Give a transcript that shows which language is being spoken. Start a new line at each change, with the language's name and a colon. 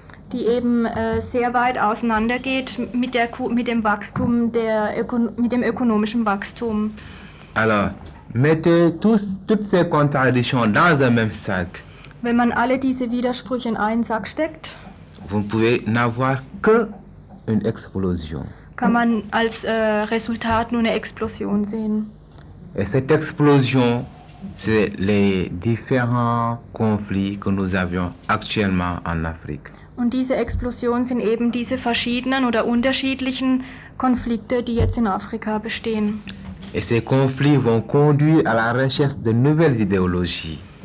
German: Die eben sehr weit auseinandergeht mit der mit dem ökonomischen Wachstum.
French: Alors, mettez toutes ces contradictions dans un même sac.
German: Wenn man alle diese Widersprüche in einen Sack steckt,
French: vous pouvez n'avoir que une explosion.
German: Kann man als Resultat nur eine Explosion sehen.
French: Et cette explosion, c'est les différents conflits que nous avions actuellement en Afrique.
German: Und diese Explosion sind eben diese verschiedenen oder unterschiedlichen Konflikte, die jetzt in Afrika bestehen.
French: Et ces conflits vont conduire à la recherche de nouvelles idéologies.